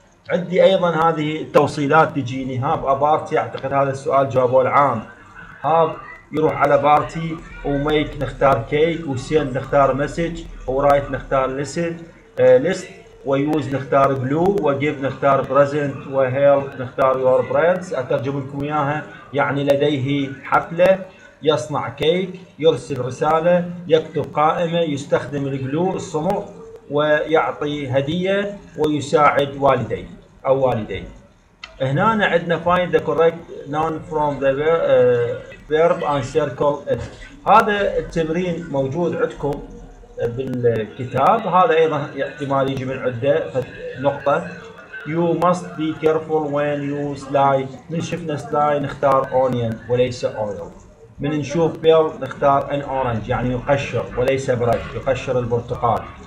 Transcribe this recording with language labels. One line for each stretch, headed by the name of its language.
Arabic: عندي ايضا هذه التوصيلات تجيني هاب ا بارتي، اعتقد هذا السؤال جوابه العام، هاب يروح على بارتي، وميك نختار كيك، وسين نختار مسج، ورايت نختار لسن ليست، ويوز نختار بلو، وجيف نختار بريزنت، وهيل نختار يور بريدز، اترجم لكم اياها يعني لديه حفله، يصنع كيك، يرسل رساله، يكتب قائمه، يستخدم البلو الصمغ، ويعطي هدية ويساعد والدي أو والدي.
English: هنا عندنا find the correct noun from the verb and circle it.
Arabic: هذا التمرين موجود عندكم بالكتاب، هذا أيضا احتمال يجي من عدة نقطة،
English: You must be careful when you slide.
Arabic: من شفنا slide نختار onion وليس oil. من نشوف بيل نختار an orange يعني يقشر وليس برد، يقشر البرتقال.